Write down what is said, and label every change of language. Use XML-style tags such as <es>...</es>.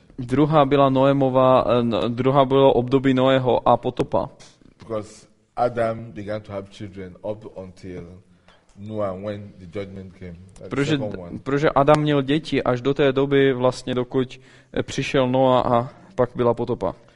<cs>Druhá byla Noemova, druhá bylo období Noého a potopa.</cs> <en>Because Adam began to have children up until Noah when the judgment came.</en> <cs>Protože Adam měl děti až do té doby vlastně dokud přišel Noah a pak byla potopa.</cs>